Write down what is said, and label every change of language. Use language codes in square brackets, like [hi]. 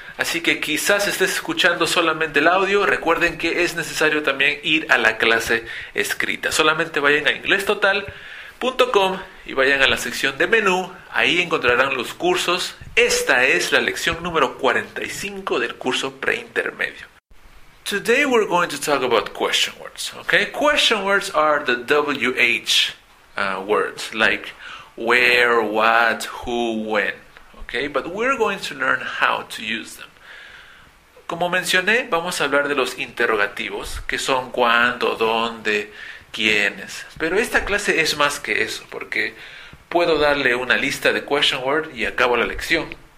[es] Así que quizás estés escuchando solamente el audio. Recuerden que es necesario también ir a la clase escrita. Solamente vayan a inglestotal.com y vayan a la sección de menú. Ahí encontrarán los cursos. Esta es la lección número 45 del curso preintermedio. [en] Today we're going to talk about question words. Okay? Question words are the WH words, like where, what, who, when. Okay, but we're going to learn how to use them. [es] Como mencioné, vamos a hablar de los interrogativos, que son cuándo, dónde, quiénes. Pero esta clase es más que eso, porque puedo darle una lista de question words y acabo la lección.